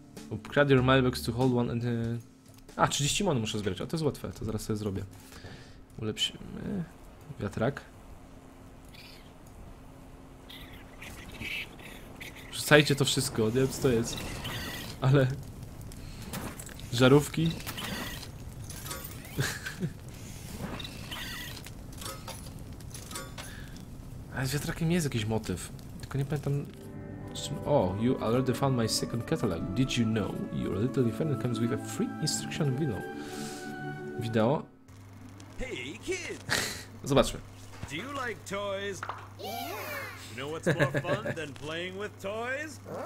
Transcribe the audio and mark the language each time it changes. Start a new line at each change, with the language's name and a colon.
English: Upgrade your mailbox to hold one and...
Polish: 30 mon muszę zbierać, a to jest łatwe, to zaraz sobie zrobię. Ulepszymy wiatrak. Wrzucajcie to wszystko, nie wiem co to jest. Ale... Żarówki. Ale z wiatrakiem jest jakiś motyw. Tylko nie pamiętam...
English: O, you already found my second catalog. Did you know your little defendant comes with a free instruction video?
Polish: Wideo?
English: Hey, kid!
Polish: Zobaczmy.
English: Do you like toys? Yeah. You know what's more fun than playing with toys?